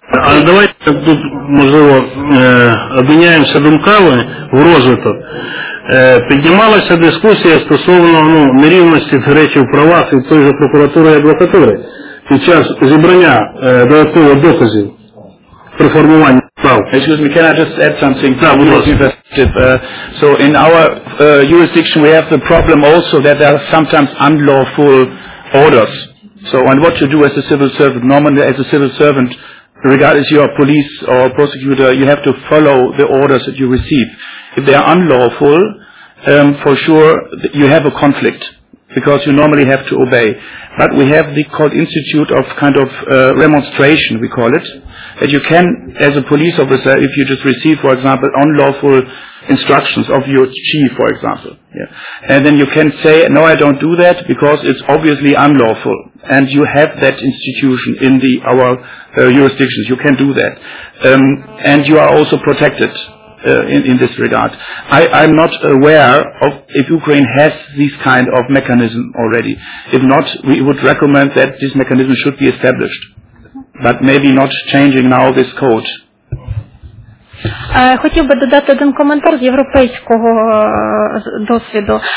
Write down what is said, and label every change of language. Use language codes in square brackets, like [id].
[uk] Але давайте тут, можливо, обміняємося думками в розвиток. Піднімалася дискусія стосовно нерівності в речі в правах від той же прокуратури і адвокатури під час зібрання додаткових доказів при формуванні. [en] Well, excuse me, can I just add something to your perspective? So in our jurisdiction we have the problem also that there are sometimes unlawful orders. So and what you do as a civil servant, normally as a civil servant, regardless you are police or prosecutor, you have to follow the orders that you receive. If they are unlawful, for sure you have a conflict, because you normally have to obey. But we have the called Institute of remonstration, we call it, that you can, as a police officer, if you just receive, for example, unlawful instructions of your chief, for example, yeah, and then you can say, no, I don't do that, because it's obviously unlawful, and you have that institution in our jurisdictions. You can do that. And you are also protected in this regard. I'm not aware of if Ukraine has this kind of mechanism already. If not, we would recommend that this mechanism should be established, but maybe not changing now this code. [uk] Хотів би додати один коментар з європейського досвіду.